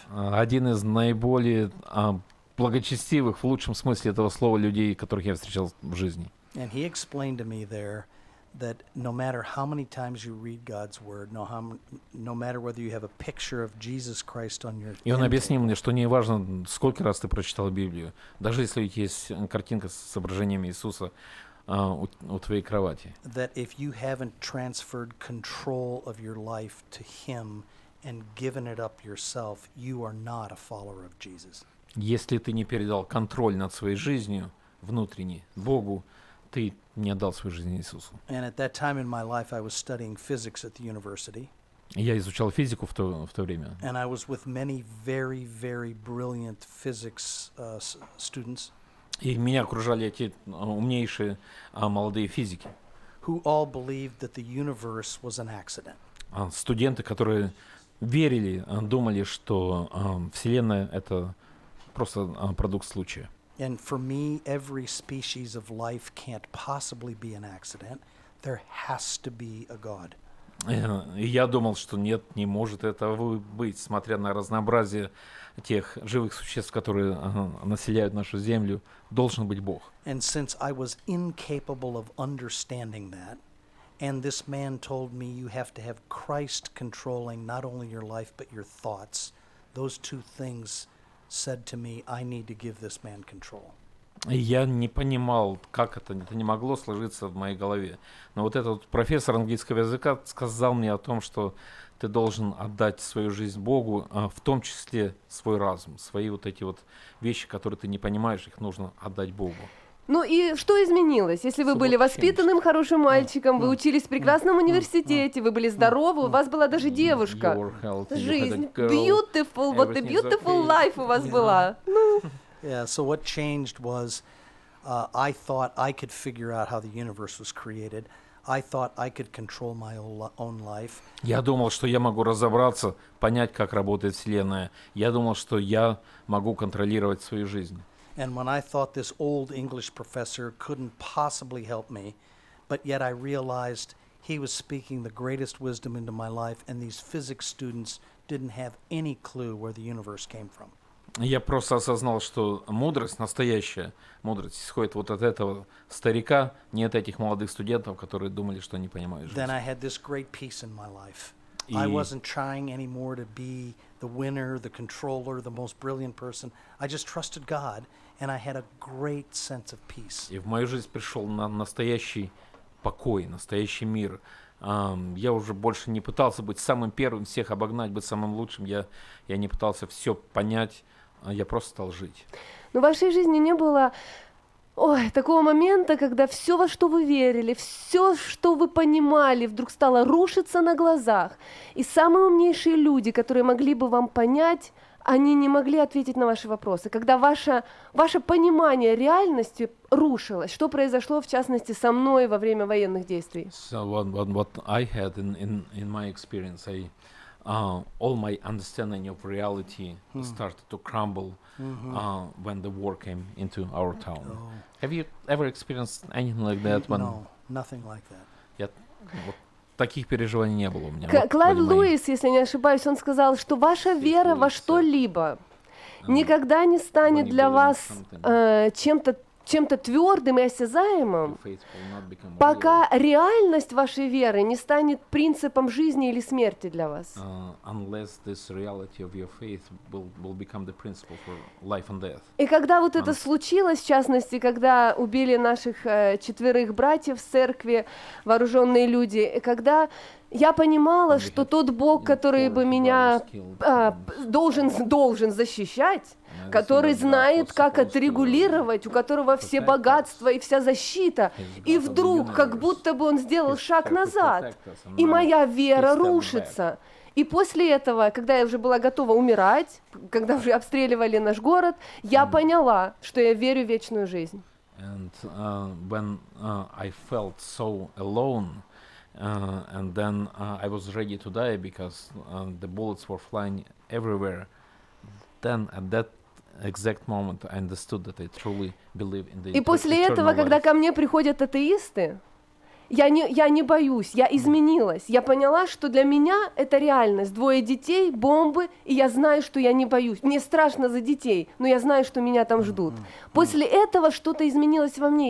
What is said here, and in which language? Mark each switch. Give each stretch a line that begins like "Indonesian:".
Russian: Один из наиболее благочестивых, в лучшем смысле этого слова, людей, которых я встречал в жизни.
English: And he explained to me there that no matter how many times you read God's word, no matter whether you have a picture of Jesus Christ on your
Russian: И он объяснил мне, что не важно, сколько раз ты прочитал Библию, даже если есть картинка с изображением Иисуса у твоей кровати.
English: That if you haven't transferred control of your life to him and given it up yourself, you are not a follower of Jesus.
Russian: Если ты не передал контроль над своей жизнью внутренней Богу, ты не отдал свою жизнь Иисусу.
English: And at that time in my life I was studying physics at the university.
Russian: Я изучал физику в то время.
English: And I was with many very, very brilliant physics students.
Russian: И меня окружали эти умнейшие молодые физики.
English: Who all believed that the universe was an accident.
Russian: Студенты, которые верили, думали, что Вселенная — это просто продукт случая.
English: And for me, every species of life can't possibly be an accident. There has to be a God.
Russian: Я думал, что нет, не может этого быть, смотря на разнообразие тех живых существ, которые населяют нашу землю, должен быть Бог.
English: And since I was incapable of understanding that, and this man told me you have to have Christ controlling not only your life but your thoughts, those two things said to me, I need to give this man control.
Russian: Я не понимал, как это не могло сложиться в моей голове. Но вот этот профессор английского языка сказал мне о том, что ты должен отдать свою жизнь Богу, в том числе свой разум, свои вот эти вот вещи, которые ты не понимаешь, их нужно отдать Богу. Ну и что изменилось? Если вы были воспитанным хорошим мальчиком, вы учились в прекрасном университете, вы были здоровы, у вас была даже девушка. Жизнь.
English: Beautiful. What a beautiful life
Russian: у вас была.
English: Yeah, so what changed was I thought I could figure out how the universe was created. I thought I could control my own life.
Russian: Я думал, что я могу разобраться, понять, как работает Вселенная. Я думал, что я могу контролировать свою жизнь.
English: And when I thought this old English professor couldn't possibly help me, but yet I realized he was speaking the greatest wisdom into my life, and these physics students didn't have any clue where the universe came from.
Russian: Я просто осознал, что мудрость, настоящая мудрость, исходит вот от этого старика, не от этих молодых студентов, которые думали, что они понимают жизнь.
English: Then I had this great peace in my life. I wasn't trying anymore to be the winner, the controller, the most brilliant person. I just trusted God, and I had a great sense of peace.
Russian: И в мою жизнь пришел настоящий покой, настоящий мир. Я уже больше не пытался быть самым первым, всех обогнать, быть самым лучшим. Я не пытался все понять, Я просто стал жить. Но в вашей жизни не было такого момента, когда все, во что вы верили, все, что вы понимали, вдруг стало рушиться на глазах. И самые умнейшие люди, которые могли бы вам понять, они не могли ответить на ваши вопросы. Когда ваше понимание реальности рушилось, что произошло, в частности, со мной во время военных действий?
English: So what I had in my experience, all my understanding of reality started to crumble when the war came into our town. Oh. Have you ever experienced anything like that? No, nothing like that.
Russian: Таких переживаний не было у меня. Клайв Льюис, если не ошибаюсь, он сказал, что ваша вера во что-либо никогда не станет для вас чем-то твердым и осязаемым, пока реальность вашей веры не станет принципом жизни или смерти для вас.
English: Unless this reality of your faith will become the principle for life and death.
Russian: И когда вот это случилось, в частности, когда убили наших четверых братьев в церкви, вооруженные люди, и когда я понимала, что тот Бог, который бы меня должен защищать, который знает, как отрегулировать, у которого все богатства и вся защита, и вдруг, как будто бы он сделал шаг назад, и моя вера рушится. И после этого, когда я уже была готова умирать, когда уже обстреливали наш город, я поняла, что я верю в вечную жизнь.
English: And when I felt so alone, and then I was ready to die because the bullets were flying everywhere, then at that exact moment I understood that I truly believe in the eternal
Russian: после этого,
English: life.
Russian: Когда ко мне приходят атеисты, я не боюсь, я изменилась. Я поняла, что для меня это реальность. Двое детей, бомбы, и я знаю, что я не боюсь. Мне страшно за детей, но я знаю, что меня там ждут. После этого что-то изменилось во мне.